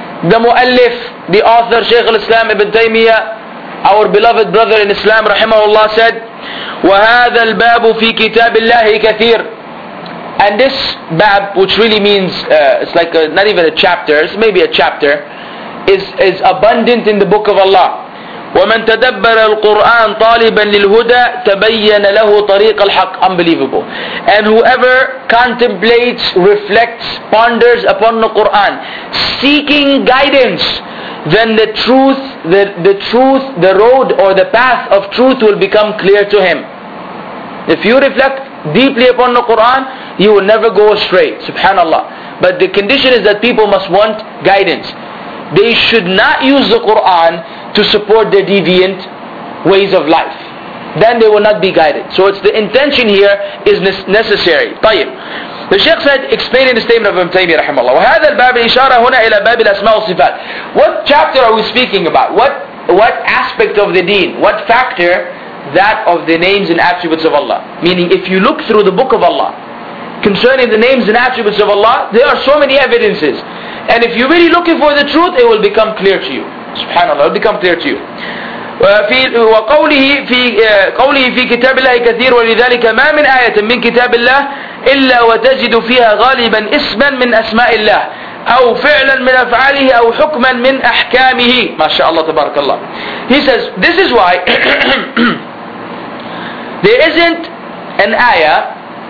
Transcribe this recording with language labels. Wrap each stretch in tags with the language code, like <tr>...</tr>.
<en>The مؤلف, the author, Shaykh al-Islam ibn Taymiyyah, our beloved brother in Islam, رحمه الله, said,</en> <ar>وهذا الباب في كتاب الله كثير.</ar> <en>And this bab, which really means it's like not even a chapter, it's maybe a chapter, is abundant in the book of Allah.</en> <ar>ومن تدبر القرآن طالبا للهدى تبين له طريق الحق.</ar> <en>Unbelievable. And whoever contemplates, reflects, ponders upon the Quran, seeking guidance, then the truth, the road or the path of truth will become clear to him. If you reflect deeply upon the Quran, you will never go astray. Subhanallah. But the condition is that people must want guidance. They should not use the Quran to support their deviant ways of life. Then they will not be guided. So it's the intention here is necessary. طيب. The Shaykh said, explaining the statement of Ibn Taymiyyah rahimahullah.</en> <ar>وهذا الباب الإشارة هنا إلى باب الأسماء والصفات.</ar> <en>What chapter are we speaking about? What aspect of the deen? What factor? That of the names and attributes of Allah. Meaning, if you look through the book of Allah, concerning the names and attributes of Allah, there are so many evidences. And if you're really looking for the truth, it will become clear to you. Subhanallah, it will become clear to you.</en> <ar>وقوله في قوله في كتاب الله كثير ولذلك ما من آية من كتاب الله إلا وتجد فيها غالبا اسما من أسماء الله أو فعلا من أفعاله أو حكما من أحكامه. ما شاء الله تبارك الله.</ar> <en>He says, this is why there isn't an ayah.</en>